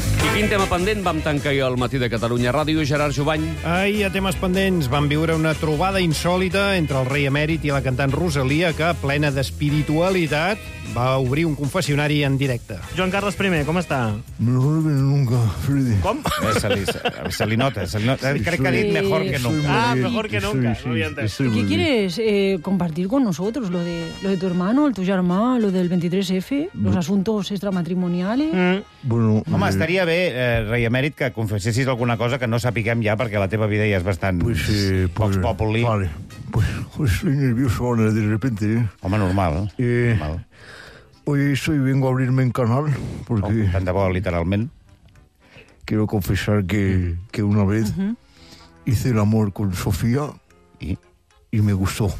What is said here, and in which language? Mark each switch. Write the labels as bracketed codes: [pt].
[ca] Quin tema pendent vam tancar jo al matí de Catalunya Ràdio, Gerard Jubany? Ahir, a temes pendents, vam viure una trobada insòlita entre el rei emèrit i la cantant Rosalia, que, plena d'espiritualitat, va obrir un confessionari en directe. Joan Carles I, com està? [es] Mejor que nunca, Freddy. [ca] Com? Se li nota. Sí, crec que ha dit [es] mejor que nunca. Mejor que nunca. ¿Qué quieres compartir con nosotros? Lo de tu hermano, [ca] el tu germà, [es] lo del 23F, los asuntos extramatrimoniales... [ca] Home, estaria bé, rei emèrit, que confessessis alguna cosa que no sapiguem ja, perquè la teva vida ja és bastant... [es] Pues sí, [la] Vox Populi. [es] Vale. Pues estoy nervioso ahora de repente. [ca] Home, normal. Normal. [es] Hoy soy vengo a abrirme en canal, porque... [ca] Oh, tant de bo, literalment. [es] Quiero confesar que una vez hice el amor con Sofía y me gustó.